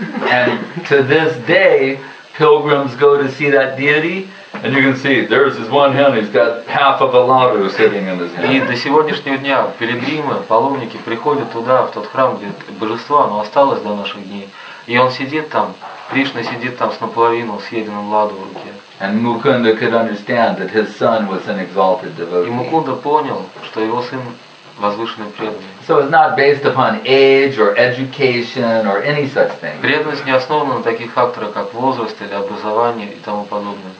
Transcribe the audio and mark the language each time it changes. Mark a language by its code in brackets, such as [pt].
[en] And to this day, pilgrims go to see that deity. And you can see, there's his one hand, he's got half of a ladu sitting in his hand. [ru] И до сегодняшнего дня пилигримы, паломники приходят туда, в тот храм, где божество, оно осталось до наших дней. И он сидит там, Кришна сидит там с наполовину съеденным ладу в руке. [en] And Mukunda could understand that his son was an exalted devotee. [ru] И Мукунда понял, что его сын возвышенный преданный. [en] So it's not based upon age or education or any such thing. [ru] Преданность не основана на таких факторах, как возраст или образование и тому подобное.